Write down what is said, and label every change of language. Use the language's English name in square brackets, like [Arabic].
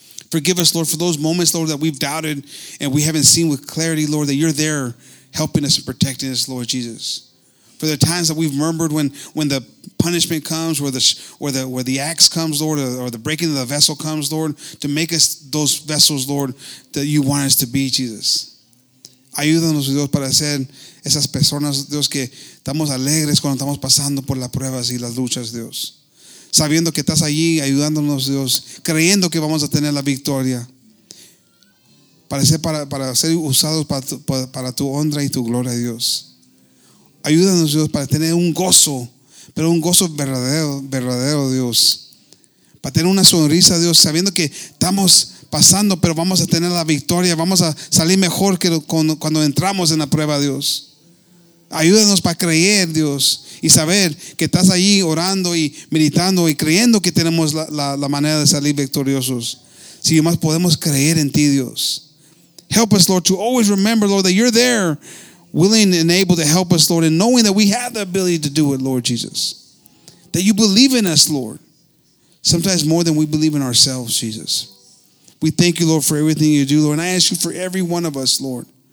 [English] Forgive us, Lord, for those moments, Lord, that we've doubted and we haven't seen with clarity, Lord, that you're there helping us and protecting us, Lord Jesus. For the times that we've murmured when the punishment comes, where the axe comes, Lord, or the breaking of the vessel comes, Lord, to make us those vessels, Lord, that you want us to be, Jesus. [Spanish] Ayúdanos, Dios, para ser esas personas, Dios, que estamos alegres cuando estamos pasando por las pruebas y las luchas, Dios. Sabiendo que estás allí, ayudándonos, Dios, creyendo que vamos a tener la victoria. Para ser usados para tu honra y tu gloria, Dios. Ayúdanos, Dios, para tener un gozo, pero un gozo verdadero, verdadero, Dios. Para tener una sonrisa, Dios, sabiendo que estamos pasando, pero vamos a tener la victoria. Vamos a salir mejor que cuando entramos en la prueba, Dios. Ayúdanos para creer, Dios, y saber que estás ahí orando y meditando y creyendo que tenemos la manera de salir victoriosos. Si más podemos creer en ti, Dios. [English] Help us, Lord, to always remember, Lord, that you're there, willing and able to help us, Lord, and knowing that we have the ability to do it, Lord Jesus. That you believe in us, Lord. Sometimes more than we believe in ourselves, Jesus. We thank you, Lord, for everything you do, Lord. And I ask you for every one of us, Lord.